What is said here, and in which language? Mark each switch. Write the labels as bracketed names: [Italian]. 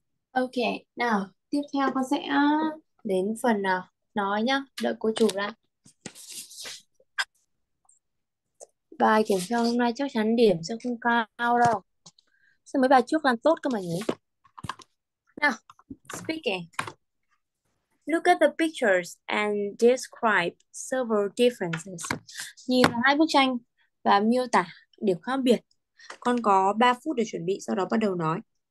[Vietnamese] Ok, nào, tiếp theo con sẽ đến phần nào nói nhá, đợi cô chủ ra. Bài kiểm tra hôm nay chắc chắn điểm sẽ không cao đâu. Sao mấy bài trước làm tốt cơ mà nhỉ? [English] Nào, speaking. Look at the pictures and describe several differences. [Vietnamese] Nhìn vào hai bức tranh và miêu tả điểm khác biệt. Con có 3 phút để chuẩn bị, sau đó bắt đầu nói.